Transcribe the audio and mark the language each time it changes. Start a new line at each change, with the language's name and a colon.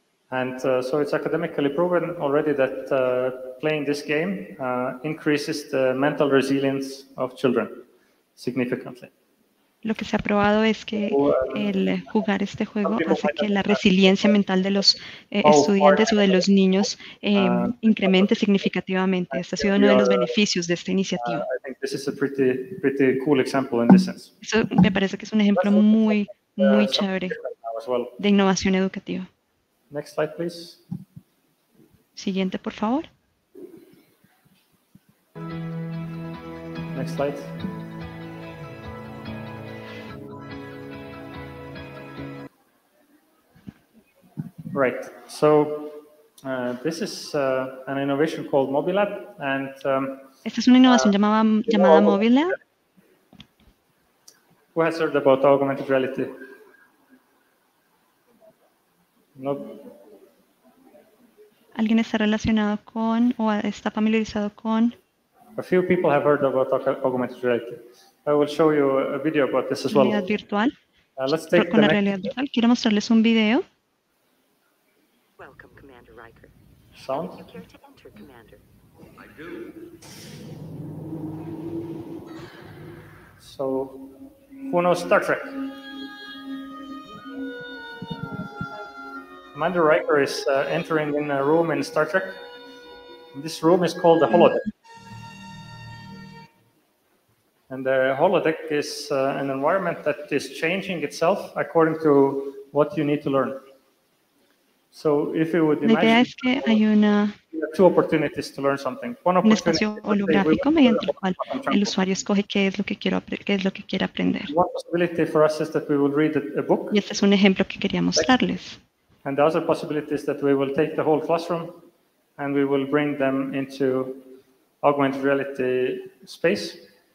English: And so it's academically proven already that playing this game increases the mental resilience of children significantly.
Spanish: Lo que se ha probado es que el jugar este juego hace que la resiliencia mental de los estudiantes o de los niños incremente significativamente. Este ha sido uno de los beneficios de esta iniciativa. Eso me parece que es un ejemplo muy, muy chévere de innovación educativa.
English: Next slide, please.
Spanish: Siguiente, por favor.
English: Next slide. Right. So this is an innovation called Mobilab, and
Spanish: esta es una innovación llamada Mobilab.
English: Who has heard about augmented reality? No.
Spanish: ¿Alguien está relacionado con o está familiarizado con?
English: A few people have heard about augmented reality. I will show you a video about this as well.
Spanish: Realidad virtual.
English: Let's take
Spanish: con la realidad virtual. Quiero mostrarles un video.
English: Welcome, Commander Riker. Sound? Do you care to enter, Commander? I do. So, who knows Star Trek? Commander Riker is entering in a room in Star Trek. This room is called the holodeck. And the holodeck is an environment that is changing itself according to what you need to learn. So if you would imagine,
Spanish: la idea es que hay una,
English: two opportunities to learn something. One opportunity,
Spanish: un espacio holográfico mediante el cual el usuario escoge qué es lo que quiere aprender.
English: One possibility for us is that we will read a book.
Spanish: Y este es un ejemplo que quería mostrarles.
English: And the other possibility is that we will take the whole classroom and we will bring them into augmented reality space.